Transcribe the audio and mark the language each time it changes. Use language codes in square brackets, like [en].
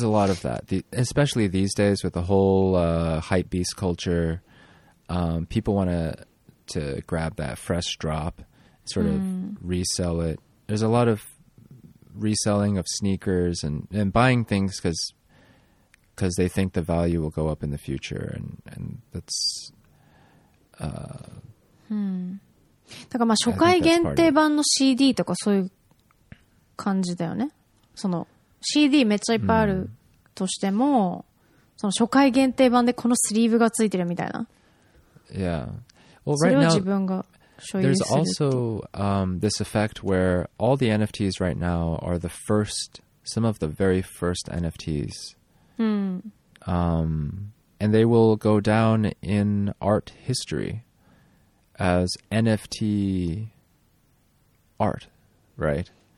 [en] a lot of that, especially these days with the whole hype beast culture. People want to grab that fresh drop, sort of resell it. There's a lot of reselling of sneakers and buying things because they think the value will go up in the future. And that's... [ja] だからまあ初回限定版の CD とかそういう感じだよね。その CD めっちゃいっぱいあるとしても、その初回限定版でこのスリーブがついてるみたいな。 [en] Yeah. Well, right now, There's also this effect where all the NFTs right now are the first, some of the very first NFTs. And they will go down in art history as NFT art, right?